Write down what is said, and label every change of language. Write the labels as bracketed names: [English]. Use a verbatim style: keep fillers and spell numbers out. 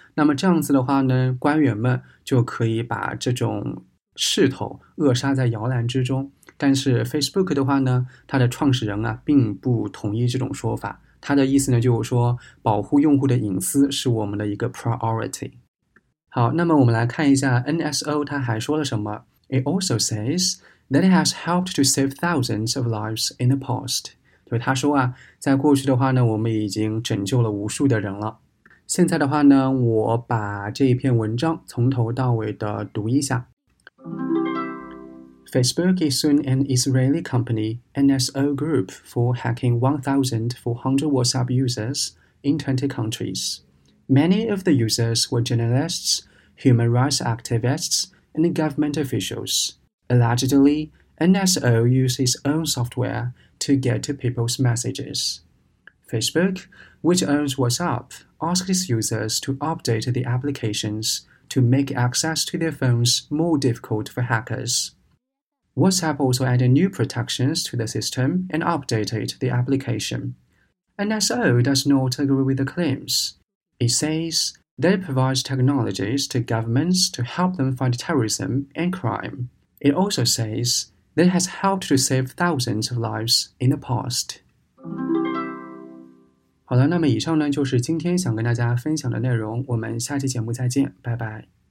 [Chinese] 那么这样子的话呢，官员们就可以把这种势头扼杀在摇篮之中，但是 Facebook 的话呢，它的创始人啊并不同意这种说法，他的意思呢就是说保护用户的隐私是我们的一个 priority。好，那么我们来看一下 N S O 他还说了什么。 [English] It also says that it has helped to save thousands of lives in the past， [Chinese] 就是他说啊，在过去的话呢，我们已经拯救了无数的人了。 [English] 现在的话呢，我把这一篇文章从头到尾的读一下。 Facebook is suing an Israeli company, N S O Group, for hacking one thousand four hundred WhatsApp users in twenty countries. Many of the users were journalists, human rights activists, and government officials. Allegedly, N S O used its own software to get to people's messages. Facebook, which owns WhatsApp, asks its users to update the applications to make access to their phones more difficult for hackers. WhatsApp also added new protections to the system and updated the application. N S O does not agree with the claims. It says that it provides technologies to governments to help them fight terrorism and crime. It also says that it has helped to save thousands of lives in the past. [Chinese] 好了，那么以上呢就是今天想跟大家分享的内容，我们下期节目再见，拜拜。